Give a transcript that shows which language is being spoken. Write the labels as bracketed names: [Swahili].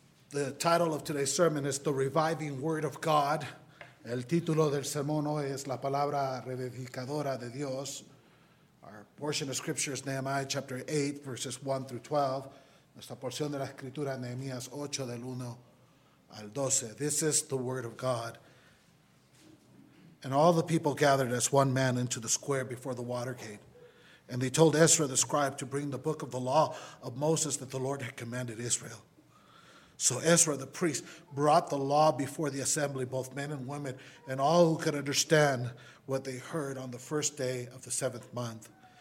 [English] The title of today's sermon is The Reviving Word of God. [Spanish] El título del sermón hoy es La Palabra Revivificadora de Dios. [English] Our portion of scripture is Nehemiah chapter 8, verses 1 through 12. [Spanish] Nuestra porción de la escritura es Nehemías 8, del 1 al 12. [English] This is the word of God. And all the people gathered as one man into the square before the water gate. And they told Ezra the scribe to bring the book of the law of Moses that the Lord had commanded Israel. So Ezra the priest brought the law before the assembly, both men and women, and all who could understand what they heard on the first day of the seventh month.